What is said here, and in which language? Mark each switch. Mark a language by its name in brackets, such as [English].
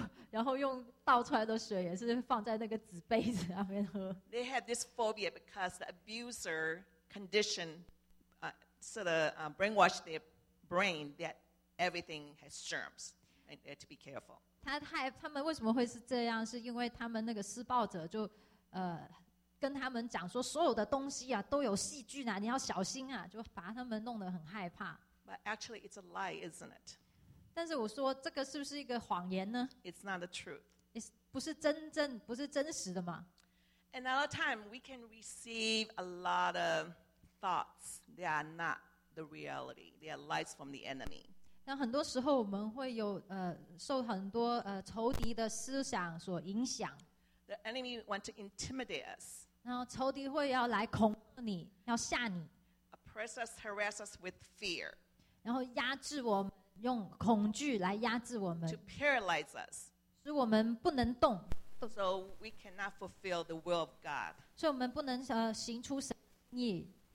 [Chinese] 然后用倒出来的水也是放在那个纸杯子那边喝。 [English] They have this phobia because the abuser condition sort of brainwashed their brain that. Everything has germs, and to be careful. [Chinese] 他们为什么会是这样？是因为他们那个施暴者就跟他们讲说，所有的东西啊都有细菌啊，你要小心啊，就把他们弄得很害怕。 [English] But actually, it's a lie, isn't it? [Chinese] 但是我说这个是不是一个谎言呢 [English] ？It's not the truth. [Chinese] 不是真实的吗 [English] ？Another time, we can receive a lot of thoughts that are not the reality. They are lies from the enemy. [Chinese] 那很多时候我们会有受很多仇敌的思想所影响。 [English] The enemy want to intimidate us. [Chinese] 然后仇敌会要来恐吓你，要吓你。 [English] Oppress us, harass us with fear. [Chinese] 然后压制我们，用恐惧来压制我们。 [English] To paralyze us. [Chinese] 使我们不能动。 [English] So we cannot fulfill the will of God. [Chinese] 所以我们不能行出神意。